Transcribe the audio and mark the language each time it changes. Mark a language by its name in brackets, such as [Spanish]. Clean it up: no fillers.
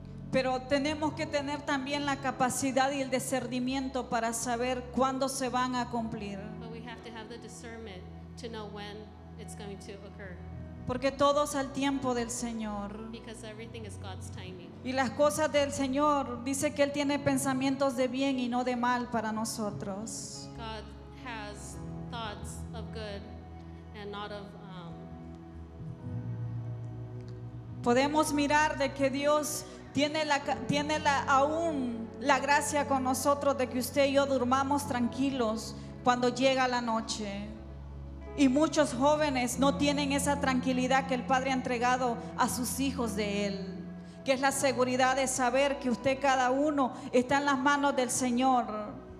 [Spanish] Pero tenemos que tener también la capacidad y el discernimiento para saber cuándo se van a cumplir. [English] But we have to have the discernment to know when it's going to occur. [Spanish] Porque todo es al tiempo del Señor. [English] Because everything is God's timing. [Spanish] Y las cosas del Señor, dice que Él tiene pensamientos de bien y no de mal para nosotros. [English] God has thoughts of good and not of [Spanish] Podemos mirar de que Dios tiene aún la gracia con nosotros de que usted y yo durmamos tranquilos cuando llega la noche. Y muchos jóvenes no tienen esa tranquilidad que el Padre ha entregado a sus hijos de Él, que es la seguridad de saber que usted cada uno está en las manos del Señor.